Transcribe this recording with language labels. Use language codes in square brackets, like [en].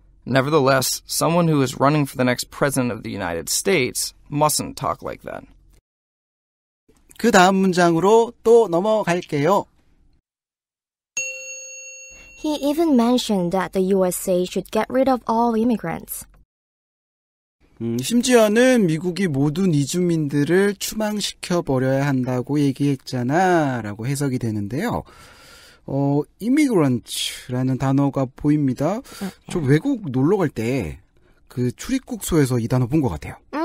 [en] Nevertheless, someone who is running for the next president of the United States mustn't talk like that. [ko] 그 다음 문장으로 또 넘어갈게요. [en] He even mentioned that the USA should get rid of all immigrants. [ko] 심지어는 미국이 모든 이주민들을 추방시켜버려야 한다고 얘기했잖아 라고 해석이 되는데요. immigrants라는 단어가 보입니다. 저 외국 놀러 갈 때 그 출입국소에서 이 단어 본 것 같아요.